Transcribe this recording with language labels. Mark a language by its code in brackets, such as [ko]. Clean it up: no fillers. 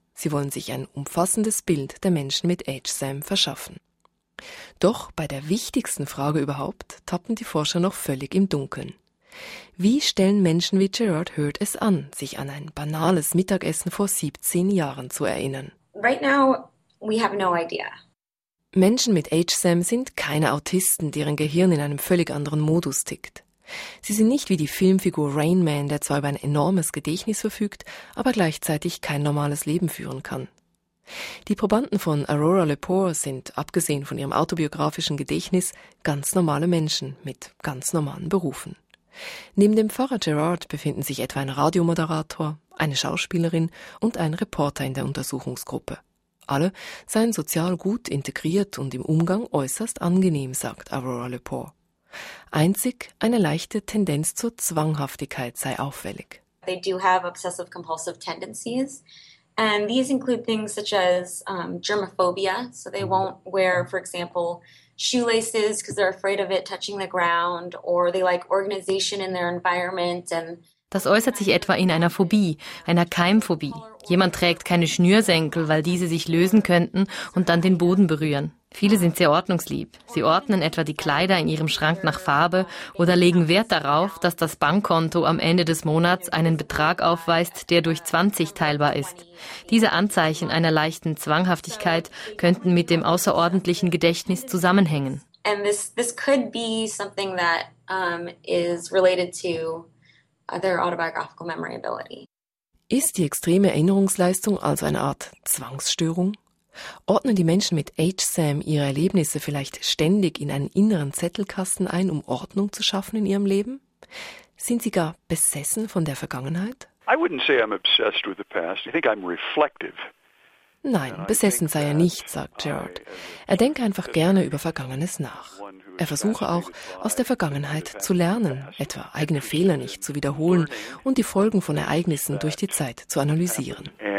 [de] Sie wollen sich ein umfassendes Bild der Menschen mit HSAM verschaffen. Doch bei der wichtigsten Frage überhaupt tappen die Forscher noch völlig im Dunkeln. Wie stellen Menschen wie Gerard Hurd es an, sich an ein banales Mittagessen vor 17 Jahren zu erinnern? [en] Right now, we have no idea. [de] Menschen mit HSAM sind keine Autisten, deren Gehirn in einem völlig anderen Modus tickt. Sie sind nicht wie die Filmfigur Rain Man, der zwar über ein enormes Gedächtnis verfügt, aber gleichzeitig kein normales Leben führen kann. Die Probanden von Aurora Lepore sind, abgesehen von ihrem autobiografischen Gedächtnis, ganz normale Menschen mit ganz normalen Berufen. Neben dem Pfarrer Gerard befinden sich etwa ein Radiomoderator, eine Schauspielerin und ein Reporter in der Untersuchungsgruppe. Alle seien sozial gut integriert und im Umgang äußerst angenehm, sagt Aurora Lepore. Einzig eine leichte Tendenz zur Zwanghaftigkeit sei auffällig. [en] They do have obsessive-compulsive tendencies, and these include things such as germophobia. So they won't wear, for example, shoelaces because they're afraid of it touching the ground, or they like organization in their environment. And [de] das äußert sich etwa in einer Phobie, einer Keimphobie. Jemand trägt keine Schnürsenkel, weil diese sich lösen könnten und dann den Boden berühren. Viele sind sehr ordnungslieb. Sie ordnen etwa die Kleider in ihrem Schrank nach Farbe oder legen Wert darauf, dass das Bankkonto am Ende des Monats einen Betrag aufweist, der durch 20 teilbar ist. Diese Anzeichen einer leichten Zwanghaftigkeit könnten mit dem außerordentlichen Gedächtnis zusammenhängen. [en] And this could be something that is related to their autobiographical memory ability. [de] Ist die extreme Erinnerungsleistung also eine Art Zwangsstörung? Ordnen die Menschen mit HSAM ihre Erlebnisse vielleicht ständig in einen inneren Zettelkasten ein, um Ordnung zu schaffen in ihrem Leben? Sind sie gar besessen von der Vergangenheit? [en] I wouldn't say I'm obsessed with the past. I think I'm reflective. [de] Nein, besessen sei er nicht, sagt Gerard. Er denke einfach gerne über Vergangenes nach. Er versuche auch, aus der Vergangenheit zu lernen, etwa eigene Fehler nicht zu wiederholen und die Folgen von Ereignissen durch die Zeit zu analysieren.